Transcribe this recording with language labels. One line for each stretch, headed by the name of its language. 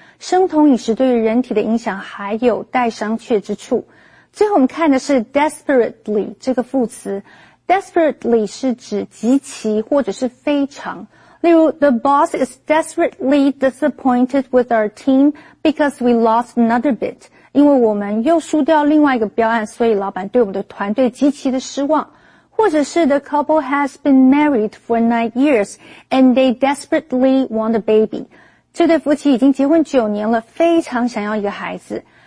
Chinese: 生酮饮食对于人体的影响还有待商榷之处。最后我们看的是 desperately这个副词。desperately 是指极其或者是非常。
English: Liu, the boss is desperately disappointed with our team because we lost another bid.
Chinese: 因为我们又输掉另外一个标案，所以老板对我们的团队极其的失望。或者是
English: the couple has been married for 9 years and they desperately want a baby.
Chinese: 这对夫妻已经结婚9年了，非常想要一个孩子。